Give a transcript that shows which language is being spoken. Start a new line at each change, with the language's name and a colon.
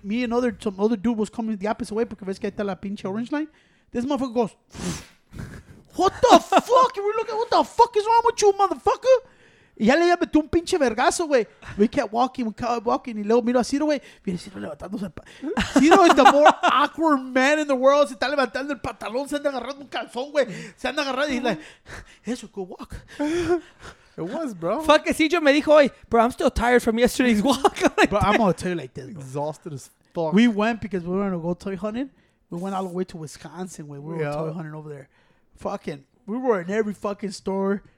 English: Me and some other dude was coming the opposite way because
Spanish: ves que está la pinche
English: orange line. This motherfucker goes... What the fuck? We're looking, what the fuck is wrong with you, motherfucker?
Spanish: Ya le metió un pinche vergazo, güey.
English: We kept walking,
Spanish: y luego miro a Ciro, güey. Mira, Ciro levantándose el pantalón.
English: Ciro is the more awkward man in the world.
Spanish: Se está levantando el pantalón, se anda agarrando un calzón, güey. Se anda agarrando y
English: like, it's a good walk. It was, bro. Fuck it, Ciro
Spanish: me dijo,
English: hey, bro, I'm still tired from yesterday's walk. Like, bro, I'm going to tell you like this, bro. Exhausted as fuck. We went because we were going to go toy hunting. We went all the way to Wisconsin, güey. We were toy hunting over there. Fucking, we were in every fucking store.